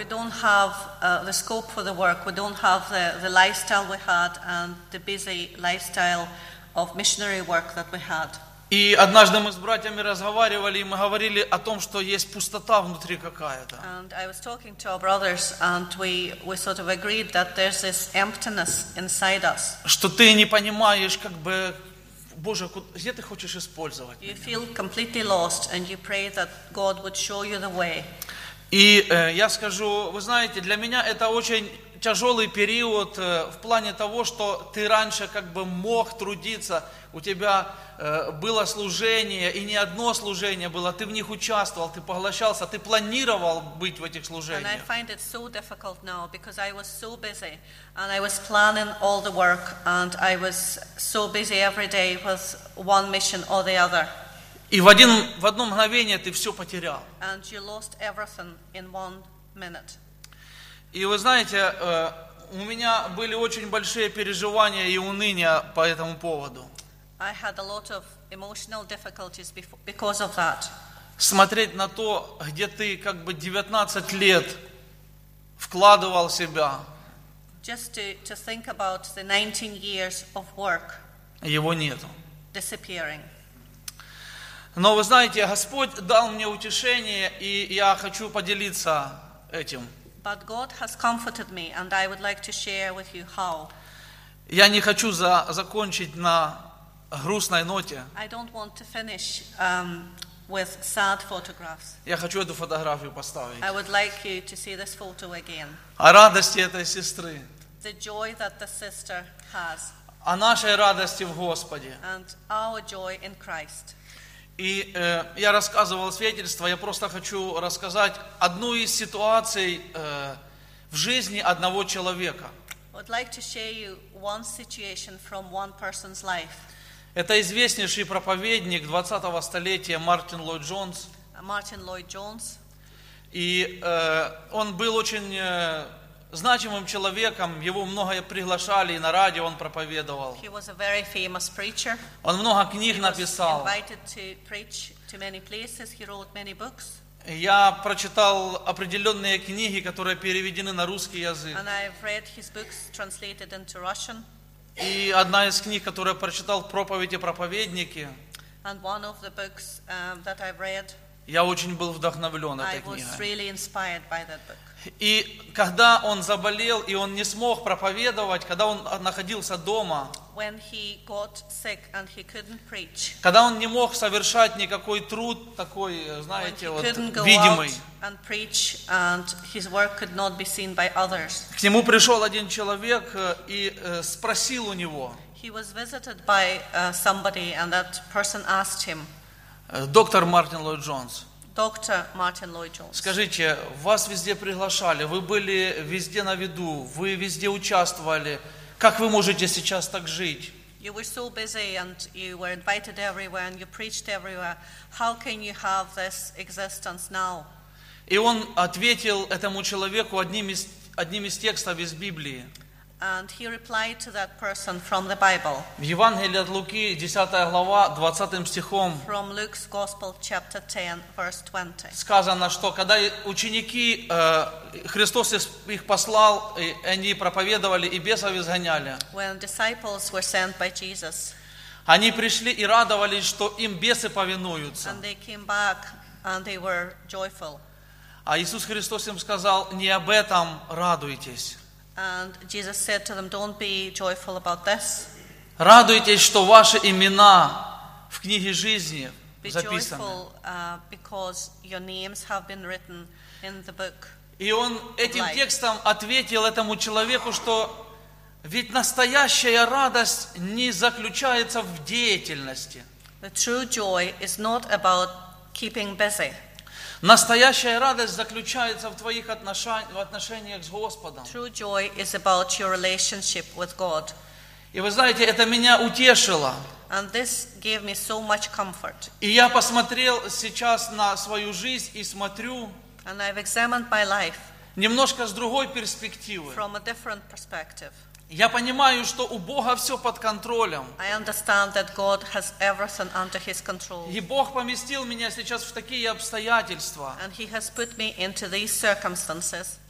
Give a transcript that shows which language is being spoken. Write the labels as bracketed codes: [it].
[en] We don't have the scope for the work. We don't have the lifestyle we had and the busy lifestyle of missionary work that we had. [ru] И однажды мы с братьями разговаривали, и мы говорили о том, что есть пустота внутри какая-то. [en] And I was talking to our brothers, and we sort of agreed that there's this emptiness inside us. [ru] Что ты не понимаешь, как бы. Боже, где ты хочешь использовать? [en] You feel completely lost, and you pray that God would show you the way. [ru] И я скажу, вы знаете, для меня это очень тяжелый период в плане того, что ты раньше как бы мог трудиться, у тебя было служение, и не одно служение было, ты в них участвовал, ты поглощался, ты планировал быть в этих служениях. [en] And I find it so difficult now, because I was so busy, and I was planning all the work, and I was so busy every day with one mission or the other. [ru] И в одно мгновение ты все потерял. [en] And you lost everything in one minute. [ru] И вы знаете, у меня были очень большие переживания и уныния по этому поводу. [en] I had a lot of emotional difficulties because of that. [ru] смотреть на то, где ты как бы 19 лет вкладывал себя. [en] Just to think about the 19 years of work. [ru] Его нету. [en] Disappearing. [ru] Но вы знаете, Господь дал мне утешение, и я хочу поделиться этим. [en] But God has comforted me, and I would like to share with you how. [ru] Я не хочу закончить на грустной ноте. [en] I don't want to finish with sad photographs. [ru] Я хочу эту фотографию поставить. [en] I would like you to see this photo again. [ru] О радости этой сестры. [en] The joy that the sister has. [ru] О нашей радости в Господе. [en] And our joy in Christ. [ru] И я рассказывал свидетельство, я просто хочу рассказать одну из ситуаций в жизни одного человека. [en] I'd like to share you one situation from one person's life. [ru] Это известнейший проповедник 20-го столетия Мартин Ллойд-Джонс. [en] Martin Lloyd-Jones. [ru] И он был очень значимым человеком, его многое приглашали, и на радио он проповедовал. [en] He was a very famous preacher. [ru] Он много книг написал. [en] He was invited to preach to many places. He wrote many books. [ru] Я прочитал определенные книги, которые переведены на русский язык. [en] And I've read his books translated into Russian. [ru] И одна из книг, которую я прочитал, «Проповеди проповедники». [en] And one of the books, that I've read, [ru] я очень был вдохновлен этой книгой. [en] I was really inspired by that book. [ru] И когда он заболел, и он не смог проповедовать, когда он находился дома, [en] when he got sick and he couldn't preach, [ru] когда он не мог совершать никакой труд такой, знаете, вот, видимый, [en] and preach, and his work could not be seen by others. [ru] К нему пришел один человек и спросил у него. [en] He was visited by somebody, and that person asked him. [ru] Доктор Мартин Ллойд-Джонс. Доктор Мартин Ллойд-Джонс. Скажите, вас везде приглашали, вы были везде на виду, вы везде участвовали. Как вы можете сейчас так жить? [en] You were so busy and you were invited everywhere and you preached everywhere. How can you have this existence now? [ru] И он ответил этому человеку одним из текстов из Библии. [en] And he replied to that person from the Bible. [ru] В Евангелии от Луки, 10 глава, 20 стихом. [en] From Luke's Gospel, chapter 10, verse 20. [ru] Сказано, что когда ученики, Христос их послал, и они проповедовали и бесов изгоняли. [en] When disciples were sent by Jesus. [ru] Они пришли и радовались, что им бесы повинуются. [en] And they came back and they were joyful. [ru] А Иисус Христос им сказал: не об этом радуйтесь. [en] And Jesus said to them, "Don't be joyful about this." [ru] Радуйтесь, что ваши имена в книге жизни записаны. [en] Be joyful, because your names have been written in the book. [ru] И он этим текстом ответил этому человеку, что ведь настоящая радость не заключается в деятельности. [en] The true joy is not about keeping busy. [ru] Настоящая радость заключается в твоих отношениях с Господом. [en] True joy is about your relationship with God. [ru] И вы знаете, это меня утешило. [en] And this gave me so much comfort. [ru] И я посмотрел сейчас на свою жизнь и смотрю. [en] And I've examined my life. [ru] Немножко с другой перспективы. [en] From a different perspective. [ru] Я понимаю, что у Бога все под контролем. [en] I understand that God has everything under His control. [ru] И Бог поместил меня сейчас в такие обстоятельства. [en] And He has put me into these circumstances.